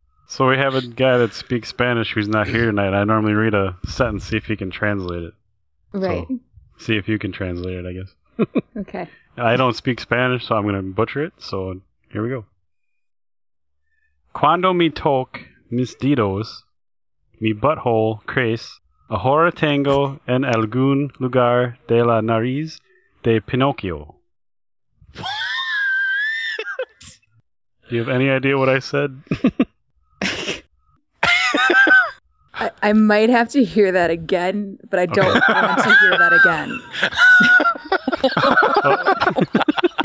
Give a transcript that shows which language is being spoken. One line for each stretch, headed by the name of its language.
English: So we have a guy that speaks Spanish who's not here tonight. I normally read a sentence, see if he can translate it. Right. So, see if you can translate it, I guess. Okay. I don't speak Spanish, so I'm going to butcher it. So here we go.
Spanish: Cuando me toc mis dedos, mi butthole crece, ahora tengo en algún lugar de la nariz de Pinocchio.
English: Do you have any idea what I said? I might have to hear that again, but I don't want to hear that again.